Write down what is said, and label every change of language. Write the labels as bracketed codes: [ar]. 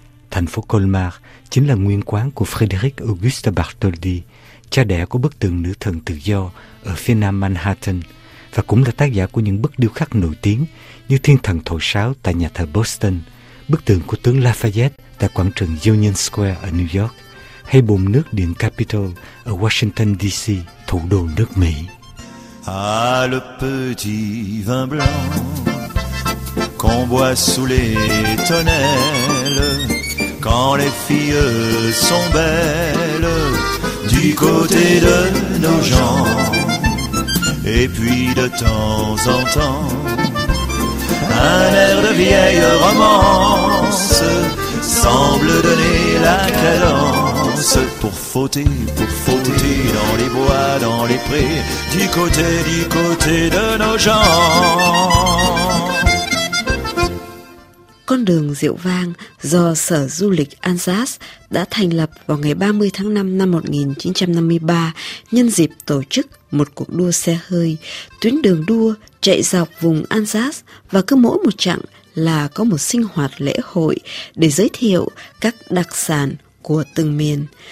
[vi] Thành phố Colmar chính là nguyên quán của Frédéric Auguste Bartholdi, cha đẻ của bức tượng nữ thần tự do ở phía nam Manhattan, và cũng là tác giả của những bức điêu khắc nổi tiếng như Thiên thần thổi sáo tại nhà thờ Boston, bức tượng của tướng Lafayette tại quảng trường Union Square ở New York, hay bồn nước điện Capitol ở Washington DC, thủ đô nước Mỹ. [fr] Ah, le petit vin blanc qu'on boit sous les tonnelles quand les filles sont belles du côté de nos gens. Et puis de temps en temps, un air de vieille romance semble donner la cadence pour fauter dans les bois, dans les prés, du côté de nos gens. [vi] Con đường rượu vang do Sở Du lịch Alsace đã thành lập vào ngày 30 tháng 5 năm 1953 nhân dịp tổ chức một cuộc đua xe hơi. Tuyến đường đua chạy dọc vùng Alsace và cứ mỗi một chặng là có một sinh hoạt lễ hội để giới thiệu các đặc sản của từng miền.